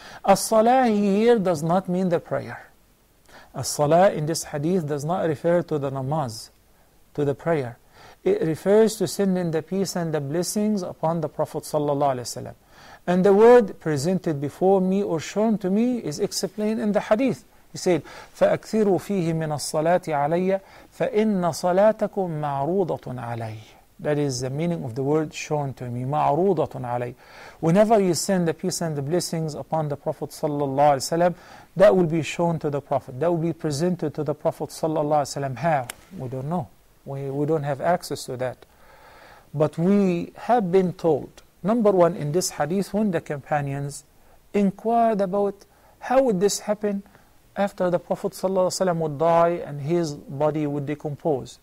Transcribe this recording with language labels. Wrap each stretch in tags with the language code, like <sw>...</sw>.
<en>As-salah here does not mean the prayer. As-salah in this hadith does not refer to the namaz, to the prayer. It refers to sending the peace and the blessings upon the Prophet sallallahu alayhi wa sallam. And the word presented before me or shown to me is explained in the hadith. He said,</en> <ar>فَأَكْثِرُوا فِيهِ مِنَ الصَّلَاةِ عَلَيَّ فَإِنَّ صَلَاتَكُمْ مَعْرُوضَةٌ عَلَيَّ.</ar> <en>That is the meaning of the word shown to me,</en> <ar>مَعْرُوضَةٌ عَلَيَّ.</ar> <en>Whenever you send the peace and the blessings upon the Prophet sallallahu alayhi wa sallam, that will be shown to the Prophet. That will be presented to the Prophet sallallahu alayhi wa sallam. How? We don't know. We don't have access to that. But we have been told, number one, in this hadith, when the companions inquired about how would this happen after the Prophet ﷺ would die and his body would decompose.</en>